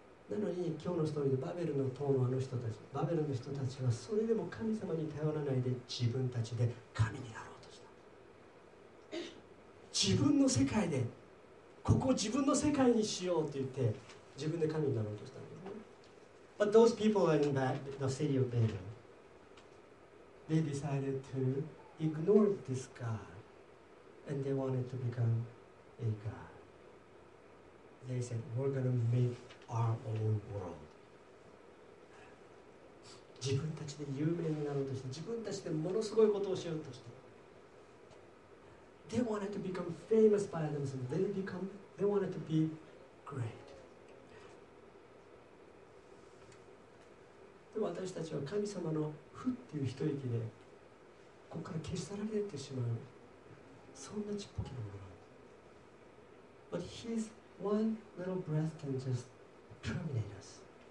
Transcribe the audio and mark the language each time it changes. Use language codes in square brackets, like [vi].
[ja] なのに今日のストーリーでバベルの塔のあの人たち、バベルの人たちはそれでも神様に頼らないで自分たちで神になろうとした。自分の世界で、ここを自分の世界にしようと言って自分で神になろうとした。 [en] But those people in the city of Babel, they decided to ignore this God and they wanted to become a god. They said, we're going to make our own world. [ja] 自分たちで有名になろうとして、自分たちでものすごいことをしようとして。 [en] They wanted to become famous by themselves. They wanted to be great. [ja] で、私たちは神様のふっていう一息で、ここから消し去られてしまう。そんなちっぽけなものなんです。 [en] But his one little breath can just terminate us.